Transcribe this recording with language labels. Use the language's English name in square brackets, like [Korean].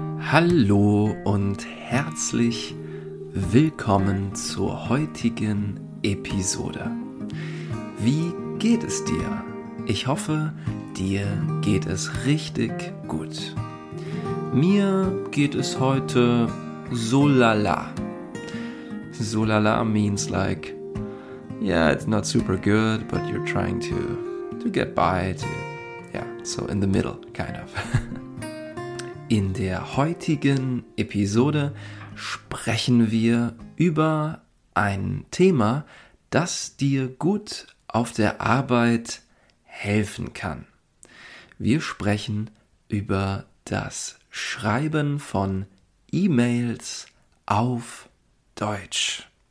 [German] Hallo und herzlich willkommen zur heutigen Episode. Wie geht es dir? Ich hoffe, dir geht es richtig gut. Mir geht es heute so lala. [English] So lala means like, yeah, it's not super good, but you're trying to get by, to, yeah, so in the middle, kind of. [German] In der heutigen Episode sprechen wir über ein Thema, das dir gut auf der Arbeit helfen kann. Wir sprechen über das Schreiben von E-Mails auf Deutsch.